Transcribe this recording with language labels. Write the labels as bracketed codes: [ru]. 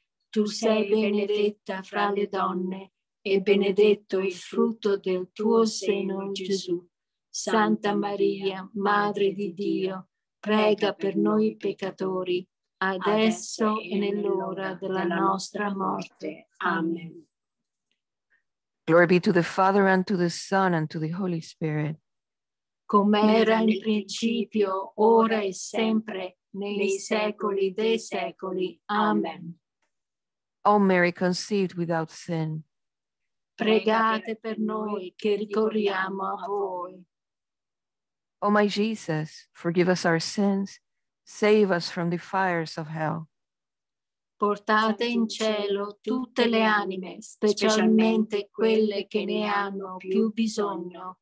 [it] Tu sei benedetta fra le donne e benedetto il frutto del tuo seno, Gesù. Santa Maria, Madre di Dio, prega per noi peccatori, adesso e nell'ora della nostra morte. Amen. [en] Glory be to the Father, and to the Son, and to the Holy Spirit. [it] Com'era in principio, ora e sempre, nei secoli dei secoli. Amen. [en] O Mary conceived without sin. [it] Pregate per noi che ricorriamo a voi. [en] O my Jesus, forgive us our sins, save us from the fires of hell. [it] Portate in cielo tutte le anime, specialmente quelle che ne hanno più bisogno.